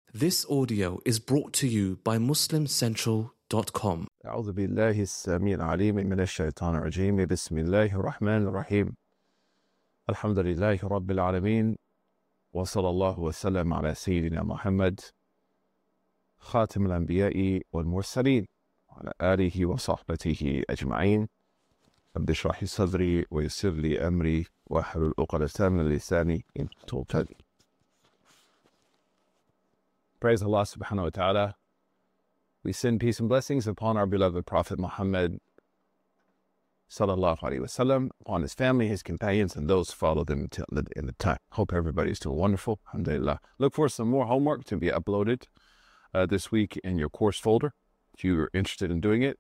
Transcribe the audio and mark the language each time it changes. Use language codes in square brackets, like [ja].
[en] This audio is brought to you by MuslimCentral.com. [ar] أعوذ بالله السميع العليم من الشيطان الرجيم بسم الله الرحمن الرحيم الحمد لله رب العالمين وصلى الله وسلم على سيدنا محمد خاتم الأنبياء والمرسلين على آله وصحبته أجمعين رب اشرح صدري ويسر لي أمري واحلل عقدة من لساني يفقهوا قولي. [en] Praise Allah subhanahu wa ta'ala. We send peace and blessings upon our beloved Prophet Muhammad sallallahu alayhi wa sallam, on his family, his companions, and those who follow them until the end of time. Hope everybody is doing wonderful. Alhamdulillah. Look for some more homework to be uploaded this week in your course folder if you're interested in doing it.